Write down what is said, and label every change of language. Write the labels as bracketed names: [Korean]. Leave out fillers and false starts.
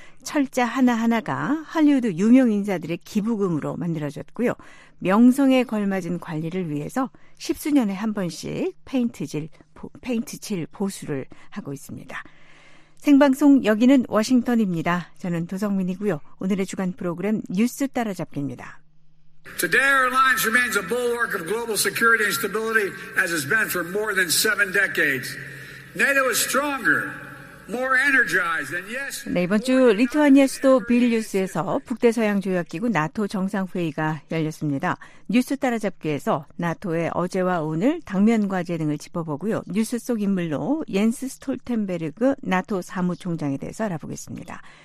[Korean] 철자 하나하나가 할리우드 유명 인사들의 기부금으로 만들어졌고요. 명성에 걸맞은 관리를 위해서 십수년에 한 번씩 페인트칠 보수를 하고 있습니다. 생방송 여기는 워싱턴입니다. 저는 도성민이고요. 오늘의 주간 프로그램 뉴스 따라잡기입니다. [English] Today, our alliance remains a bulwark of global security and stability as it's been for more than seven decades. NATO is stronger, more energized, and yes. [Korean] 네, 이번 주 리투아니아 수도 빌뉴스에서 북대서양 조약기구 나토 정상회의가 열렸습니다. 뉴스 따라잡기에서 나토의 어제와 오늘 당면 과제 등을 짚어보고요. 뉴스 속 인물로 옌스 스톨텐베르그 나토 사무총장에 대해서 알아보겠습니다.